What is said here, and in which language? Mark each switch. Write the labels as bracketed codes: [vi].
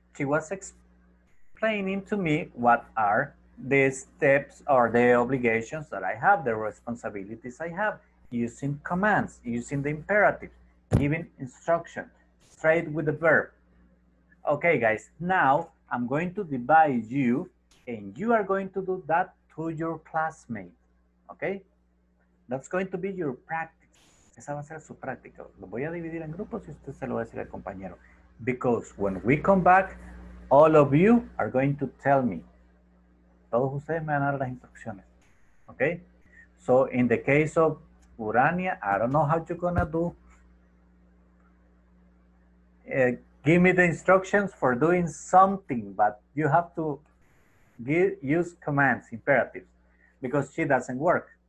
[en] She was explaining to me what are the steps or the obligations that I have, the responsibilities I have, using commands, using the imperative, giving instruction, straight with the verb. Okay, guys, now I'm going to divide you, and you are going to do that to your classmate, okay? That's going to be your practice. [es] Esa va a ser su práctica. Lo voy a dividir en grupos y usted se lo va a decir al compañero. [en] Because when we come back, all of you are going to tell me. [es] Todos ustedes me van a dar las instrucciones. [en] Okay? So in the case of Urania, I don't know how you're gonna do. Give me the instructions for doing something, but you have to use commands, imperatives, because she doesn't work.